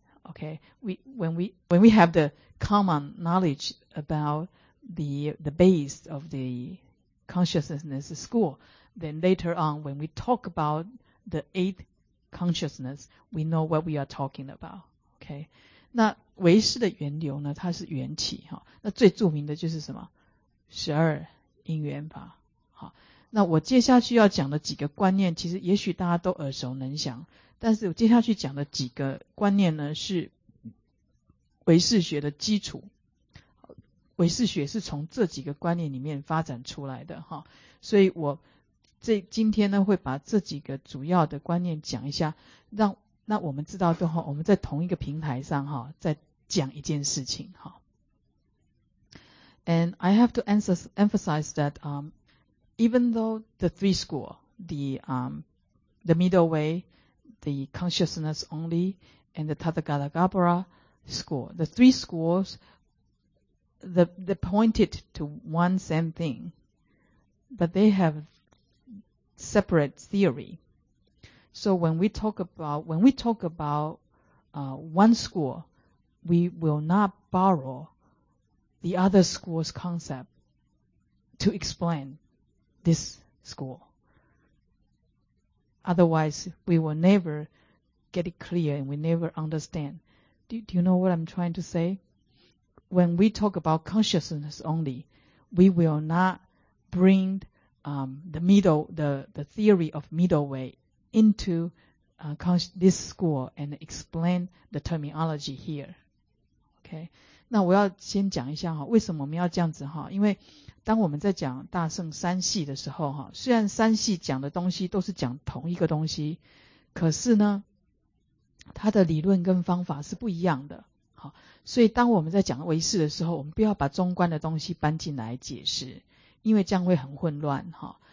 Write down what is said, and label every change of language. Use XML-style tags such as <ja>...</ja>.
<en>Okay, when we have the common knowledge about the base of the consciousness school, then later on when we talk about the eighth consciousness, we know what we are talking about.</en> <zh>Okay, 那唯识的源流呢，它是缘起，哦，那最著名的就是什么？十二因缘法。好，那我接下去要讲的几个观念，其实也许大家都耳熟能详，但是我接下去讲的几个观念呢，是唯识学的基础。唯识学是从这几个观念里面发展出来的，哈，所以我这今天呢会把这几个主要的观念讲一下，让那我们知道之后，我们在同一个平台上，哈，在讲一件事情，哈。</zh> <en>And I have to emphasize that Even though the three school, the middle way, the consciousness only, and the Tathagatagarbha school, the three schools, they pointed to one same thing, but they have separate theory. So when we talk about, one school, we will not borrow the other school's concept to explainthis school. Otherwise, we will never get it clear and we never understand. Do you know what I'm trying to say? When we talk about consciousness only, we will not bring the theory of middle way into this school and explain the terminology here. Okay.</en> <zh>那我要先讲一下哈，为什么我们要这样子哈？因为当我们在讲大圣三系的时候哈，虽然三系讲的东西都是讲同一个东西，可是呢，它的理论跟方法是不一样的。好，所以当我们在讲唯识的时候，我们不要把中观的东西搬进来解释，因为这样会很混乱哈。</zh>